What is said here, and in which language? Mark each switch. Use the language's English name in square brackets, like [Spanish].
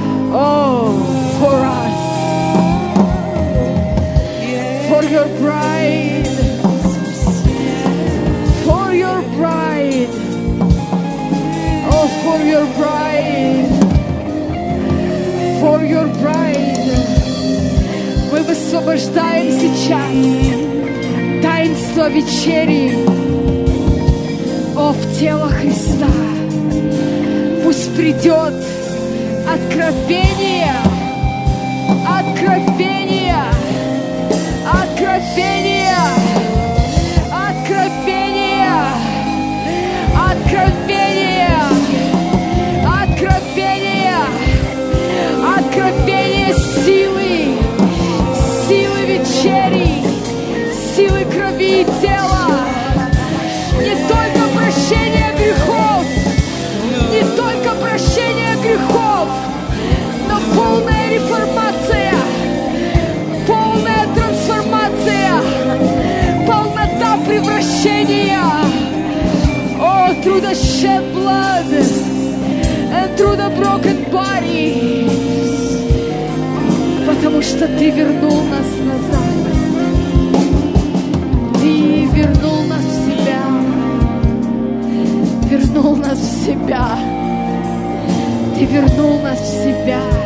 [English] Oh, for us, for your bride, for your bride, oh, for your bride, for your bride. [Russian] Мы высвобождаем сейчас таинство вечери, о, в тело Христа. Пусть придет откровение, откровение, откровение, откровение, откровение, откровение, откровение силы, силы вечери, силы крови и тела. Не только прощение грехов, не только прощение грехов, полная реформация, полная трансформация, полнота превращения. [English] О, through the shed blood and through the broken body. [Russian] Потому что ты вернул нас назад. Ты вернул нас в себя. Вернул нас в себя. Ты вернул нас в себя.